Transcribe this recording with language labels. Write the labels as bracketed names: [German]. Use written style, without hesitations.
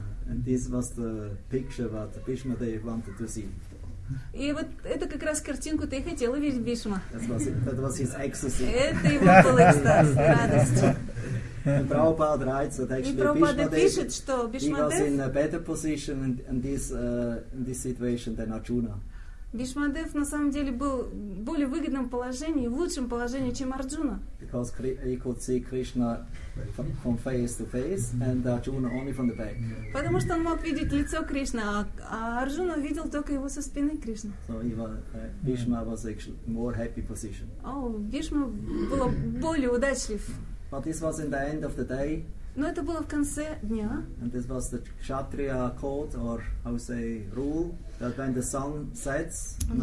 [English] And this was the picture that Bhishma Dev wanted to see. [Russian] И вот это как раз картинку ты хотела видеть, Бишма. [English] That was his ecstasy. [Russian] Это его был экстаз, радость. [English] Prabhupada writes that actually [Russian] Prabhupada пишет, что Бишма Дев [English] was in a better position in this situation than Arjuna. [Russian] Бишма Дев на самом деле был в более выгодном положении, в лучшем положении, чем Арджуна. [English] Because he could see Krishna from face to face and Arjuna only from the back. [Russian] Потому что он мог видеть лицо Кришны, а Арджуна видел только его со спины Кришны. [English] So Бишма was actually more happy position. [Russian] Бишма был более удачлив. [English] But this was in the end of the day. [Russian] Но это было в конце дня. [English] And this was the Kshatriya code or I would say rule that when the sun sets,